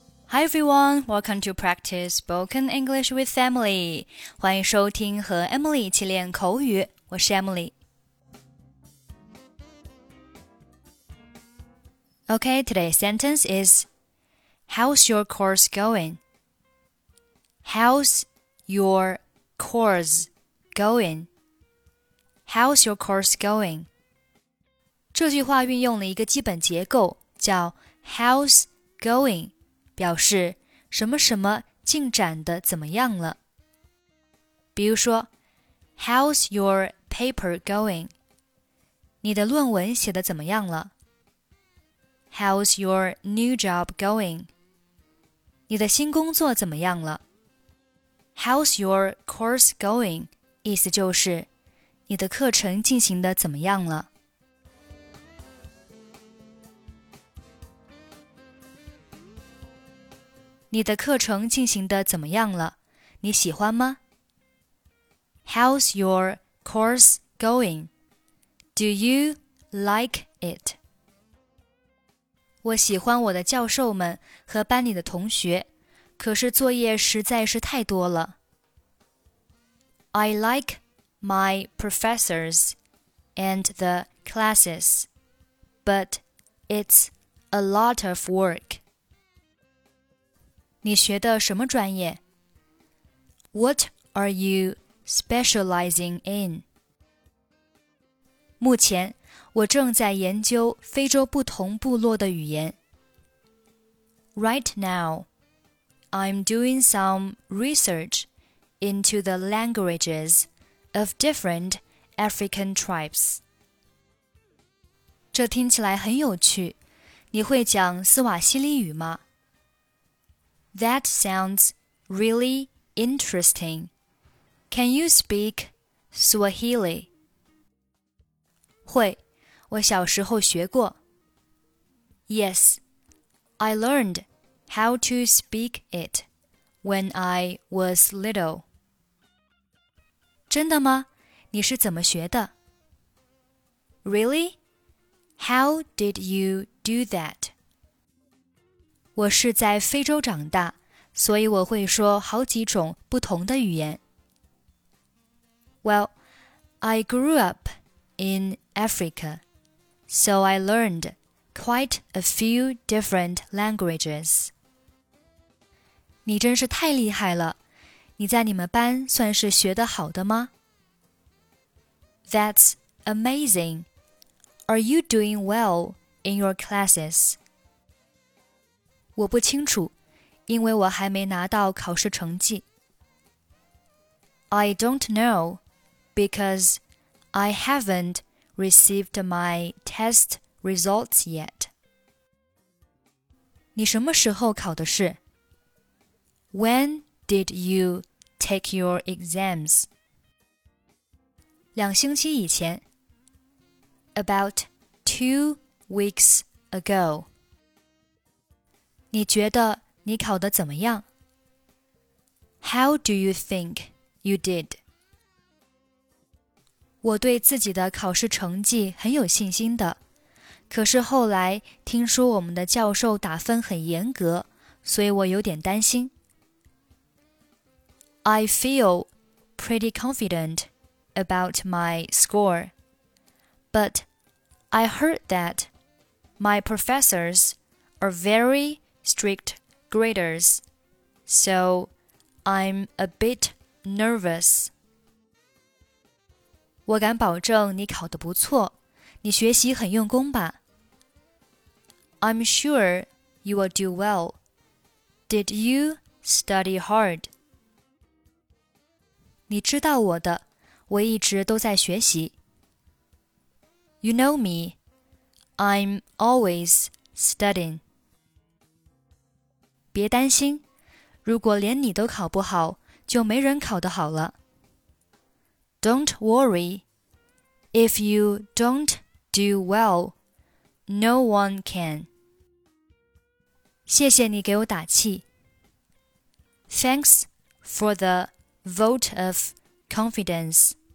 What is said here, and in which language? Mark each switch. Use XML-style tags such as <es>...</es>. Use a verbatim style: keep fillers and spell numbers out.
<en>Hi everyone, welcome to practice spoken English with Emily.</en> <zh>欢迎收听和 Emily 一起练口语，我是 Emily.</zh> <en>Okay, today's sentence is How's your course going? How's your course going? How's your course going?</en> <zh>这句话运用了一个基本结构，叫</zh> <en>How's going?</en> <zh>表示什么什么进展的怎么样了。比如说</zh> <en>How's your paper going?</en> <zh>你的论文写得怎么样了？</zh> <en>How's your new job going?</en> <zh>你的新工作怎么样了？</zh> <en>How's your course going?</en> <zh>意思就是你的课程进行得怎么样了？你的课程进行得怎么样了？你喜欢吗？</zh> <en>How's your course going? Do you like it?</en> <zh>我喜欢我的教授们和班里的同学，可是作业实在是太多了。</zh> <en>I like my professors and the classes, but it's a lot of work.</en> <zh>你学的什么专业？</zh> <en>What are you specializing in?</en> <zh>目前我正在研究非洲不同部落的语言。</zh> <en>Right now, I'm doing some research into the languages of different African tribes.</en> <zh>这听起来很有趣，你会讲斯瓦希里语吗？</zh> <en>That sounds really interesting. Can you speak Swahili?</en> <zh>会，我小时候学过。</zh> <en>Yes, I learned how to speak it when I was little.</en> <zh>真的吗？你是怎么学的？</zh> <en>Really? How did you do that?</en> <zh>我是在非洲长大，所以我会说好几种不同的语言。</zh> <en>Well, I grew up in Africa, so I learned quite a few different languages.</en> <zh>你真是太厉害了！你在你们班算是学得好的吗？</zh> <en>That's amazing. Are you doing well in your classes?</en> <zh>我不清楚，因为我还没拿到考试成绩。</zh> <en>I don't know, because I haven't received my test results yet.</en> <zh>你什么时候考的试？</zh> <en>When did you take your exams?</en> <zh>两星期以前。</zh> <en>About two weeks ago.</en> <zh>你觉得你考得怎么样？</zh> <en>How do you think you did?</en> <zh>我对自己的考试成绩很有信心的，可是后来听说我们的教授打分很严格，所以我有点担心。</zh> <en>I feel pretty confident about my score, but I heard that my professors are very... strict graders, so I'm a bit nervous.</en> <zh>我敢保证你考得不错，你学习很用功吧？</zh> <en>I'm sure you will do well. Did you study hard?</en> <zh>你知道我的，我一直都在学习。</zh> <en>You know me. I'm always studying.</en> <zh>别担心，如果连你都考不好，就没人考得好了。</zh> <en>Don't worry. If you don't do well, no one can.</en> <zh>谢谢你给我打气。</zh> <en>Thanks for the vote of confidence.</en>